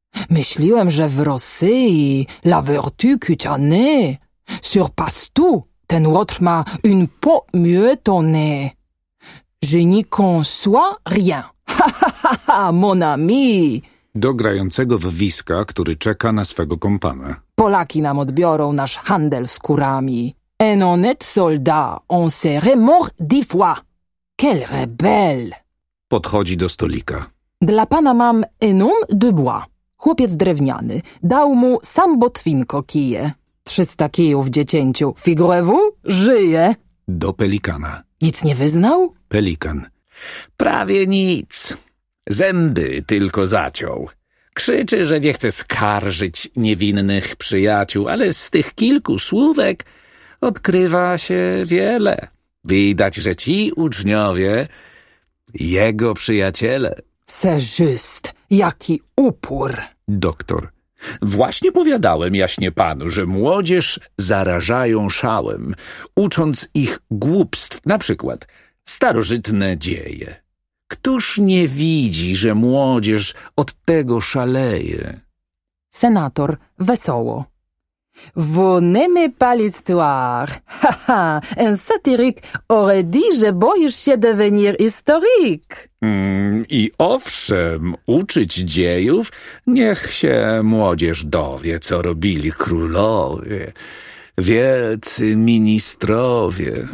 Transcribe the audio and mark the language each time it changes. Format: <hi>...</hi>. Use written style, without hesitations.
<pl>Myśliłem, że w Rosji</pl> <fr>la vertu cutanée surpasse tout.</fr> <pl>Ten łotr ma</pl> <fr>une peau mieux tonnée. Je n'y conçois rien. Ha, ha, ha, mon ami!</fr> <pl>Do grającego w wiska, który czeka na swego kompana. Polaki nam odbiorą nasz handel z kurami.</pl> <fr>Un honnête soldat, on serait mort 10 fois. Quel rebelle!</fr> <pl>Podchodzi do stolika. Dla pana mam</pl> <fr>un homme de bois.</fr> <pl>Chłopiec drewniany. Dał mu sam Botwinko kije. 300 kijów, dziecięciu.</pl> <fr>Figurez-vous?</fr> <pl>Żyje! Do pelikana. Nic nie wyznał? Pelikan. Prawie nic. Zęby tylko zaciął. Krzyczy, że nie chce skarżyć niewinnych przyjaciół, ale z tych kilku słówek odkrywa się wiele. Widać, że ci uczniowie jego przyjaciele.</pl> <fr>C'est juste.</fr> <pl>Jaki upór! Doktor. Właśnie powiadałem, jaśnie panu, że młodzież zarażają szałem, ucząc ich głupstw, na przykład starożytne dzieje. Któż nie widzi, że młodzież od tego szaleje? Senator wesoło.</pl> <fr>Vous n'aimez pas l'histoire. Ha, ha, un satirique aurait dit,</fr> <pl>że boisz się</pl> <fr>devenir historique.</fr> <pl>I owszem, uczyć dziejów, niech się młodzież dowie, co robili królowie, wielcy ministrowie.</pl>